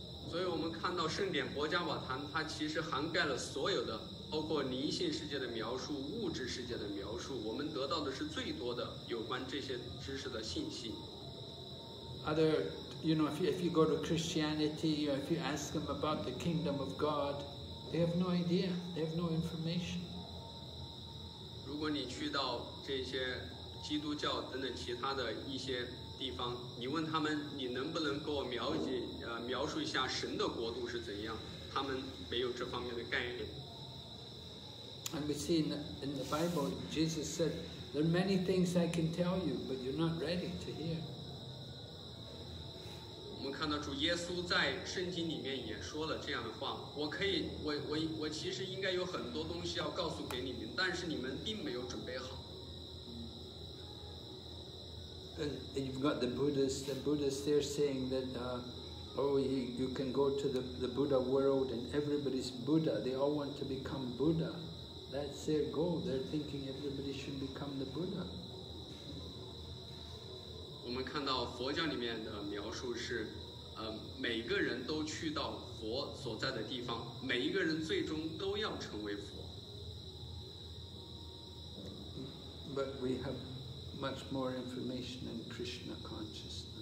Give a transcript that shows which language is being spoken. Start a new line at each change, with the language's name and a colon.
English: So we see that the Srimad Bhagavatam actually covers all of the including the description of the universe and the material world. We get the most information about these knowledge. Other You know, if you go to Christianity, or if you ask them about the kingdom of God, they have no idea. They have no information.
Chinese: 如果你去到这些基督教等等其他的一些地方，你问他们，你能不能给我描述一下神的国度是怎样？他们没有这方面的概念。
English: And we see in the Bible, Jesus said, "There are many things I can tell you, but you're not ready to hear."
Chinese: 我们看到主耶稣在圣经里面也说了这样的话：我其实应该有很多东西要告诉给你们，但是你们并没有准备好。
English: And you've got the Buddhists, they're saying that you can go to the Buddha world and everybody's Buddha. They all want to become Buddha. That's their goal. They're thinking everybody should become the Buddha.
Chinese: 我们看到佛教里面的描述是，每个人都去到佛所在的地方，每一个人最终都要成为佛。
English: But we have much more information in Krishna consciousness.